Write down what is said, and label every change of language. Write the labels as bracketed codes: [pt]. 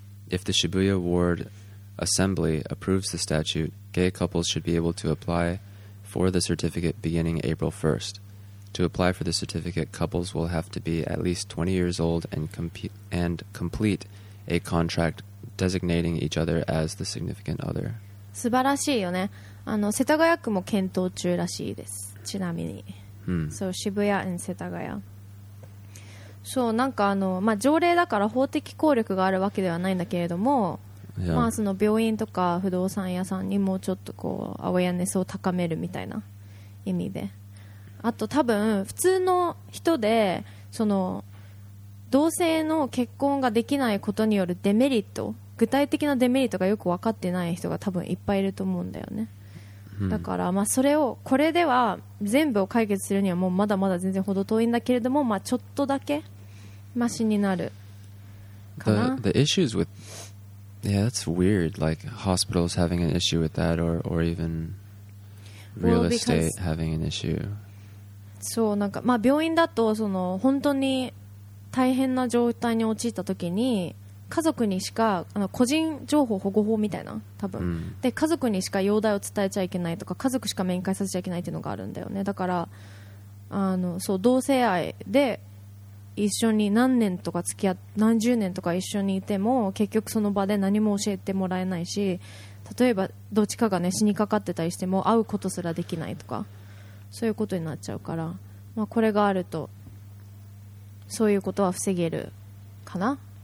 [en] If the Shibuya Ward Assembly approves the statute, gay couples should be able to apply for the certificate beginning April 1st. To apply for the certificate, couples will have to be at least 20 years old and complete a contract designating each other as the significant other. [ja] 素晴らしいよね。あの、世田谷区も検討中らしいです。ちなみに。そう、渋谷 and 世田谷。そう、なんかあの、まあ、条例だから法的効力があるわけではないんだけれども、 [en] yeah. [ja] まあその病院とか不動産屋さんにもうちょっとこうアウェアネスを高めるみたいな意味で。あと多分普通の人でその同性の結婚ができないことによるデメリット、具体的なデメリットがよく分かってない人が多分いっぱいいると思うんだよね。だからまあそれをこれでは全部を解決するにはもうまだまだ全然ほど遠いんだけれども、まあちょっとだけマシになるかな。 [en] The issues with yeah, that's weird. Like hospitals having an issue with that, or even real estate having an issue. [ja] そう、なんかまあ、病院だとその本当に大変な状態に陥った時に家族にしかあの個人情報保護法みたいな多分、うん、で家族にしか容体を伝えちゃいけないとか家族しか面会させちゃいけないっていうのがあるんだよね。だからあのそう同性愛で一緒に何年とか付き合って何十年とか一緒にいても結局その場で何も教えてもらえないし、例えばどっちかが、ね、死にかかってたりしても会うことすらできないとかそういうことになっちゃうから、まあ、これがあるとそういうことは防げるかな。